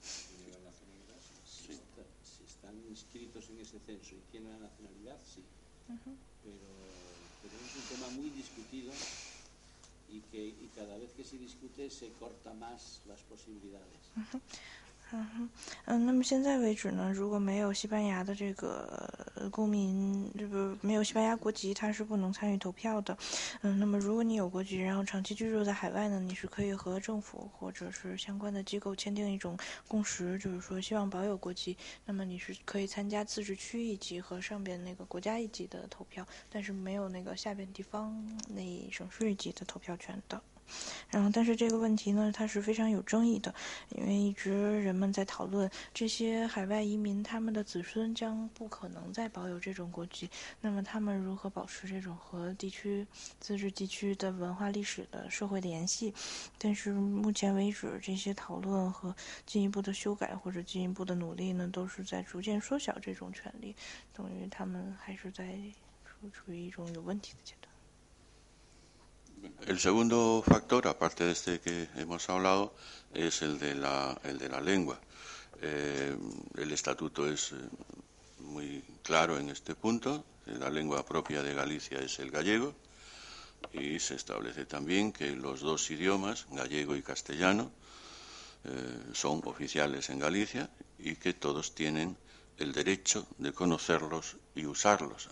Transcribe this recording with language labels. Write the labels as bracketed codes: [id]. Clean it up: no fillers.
[es] Si están inscritos en ese censo y tienen la nacionalidad, sí. Uh-huh. Pero es un tema muy discutido y cada vez que se discute se corta más las posibilidades. Uh-huh. [zh] 那么现在为止呢，如果没有西班牙的这个公民，没有西班牙国籍，他是不能参与投票的。那么如果你有国籍，然后长期居住在海外呢，你是可以和政府或者是相关的机构签订一种共识，就是说希望保有国籍。那么你是可以参加自治区一级和上边那个国家一级的投票，但是没有那个下边地方那省市一级的投票权的。然后但是这个问题呢它是非常有争议的，因为一直人们在讨论这些海外移民他们的子孙将不可能再保有这种国籍，那么他们如何保持这种和地区自治地区的文化历史的社会联系。但是目前为止这些讨论和进一步的修改或者进一步的努力呢都是在逐渐缩小这种权利，等于他们还是在处于一种有问题的阶段。 [es] El segundo factor, aparte de este que hemos hablado, es el de la lengua. El estatuto es muy claro en este punto. La lengua propia de Galicia es el gallego y se establece también que los dos idiomas, gallego y castellano, son oficiales en Galicia y que todos tienen el derecho de conocerlos y usarlos.